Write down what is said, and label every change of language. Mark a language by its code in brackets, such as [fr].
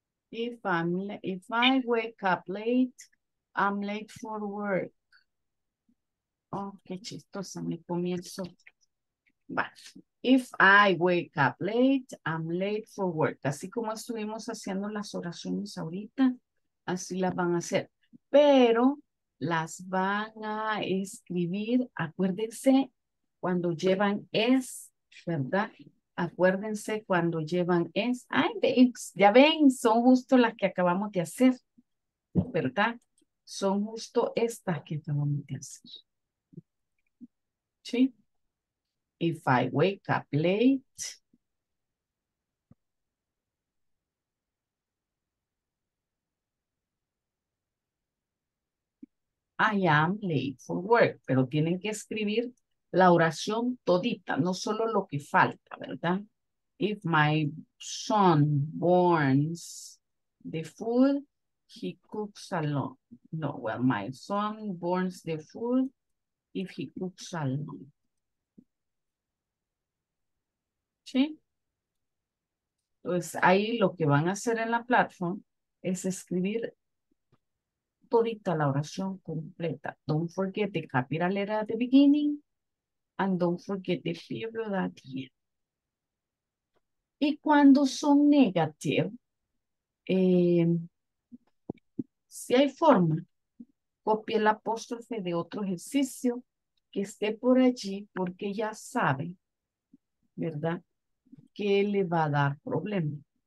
[en] If I wake up late, I'm late for work. Oh, [es] qué chistosa, me comienzo. Bueno, [en] if I wake up late, I'm late for work. [es] Así como estuvimos haciendo las oraciones ahorita, así las van a hacer. Pero las van a escribir, acuérdense, cuando llevan es, ¿verdad? Acuérdense cuando llevan es. Ay, ya ven, son justo las que acabamos de hacer, ¿verdad? Son justo estas que acabamos de hacer. ¿Sí? [en] If I wake up late, I am late for work. [es] Pero tienen que escribir la oración todita, no solo lo que falta, ¿verdad? [en] If my son burns the food, he cooks alone. No, well, my son burns the food if he cooks alone. [es] ¿Sí? Entonces, ahí lo que van a hacer en la plataforma es escribir todita la oración completa. [en] Don't forget the capital letter at the beginning and don't forget the period at the end. [es] Y cuando son negative, si hay forma, copie el apóstrofe de otro ejercicio que esté por allí porque ya sabe, ¿verdad?, que le va a dar problema.